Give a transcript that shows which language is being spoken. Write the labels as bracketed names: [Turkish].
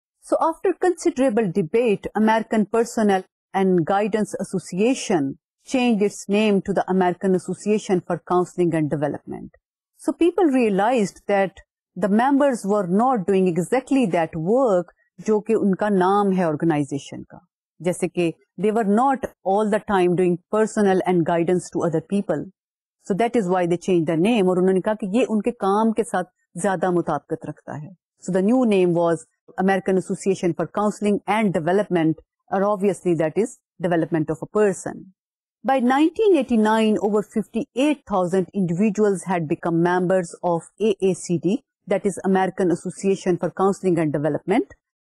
[English] So after considerable debate, American Personnel and Guidance Association changed its name to the American Association for Counseling and Development. So people realized that the members were not doing exactly that work [Urdu] jo ke unka naam hai organization ka. جیسے کہ [English] they were not all the time doing personal and guidance to other people. So that is why they changed the name. [Urdu] اور انہوں نے کہا کہ یہ ان کے کام کے ساتھ زیادہ مطابقت رکھتا ہے. [English] So the new name was American Association for Counseling and Development, or obviously that is development of a person. By 1989, over 58,000 individuals had become members of AACD, that is American Association for Counseling and Development.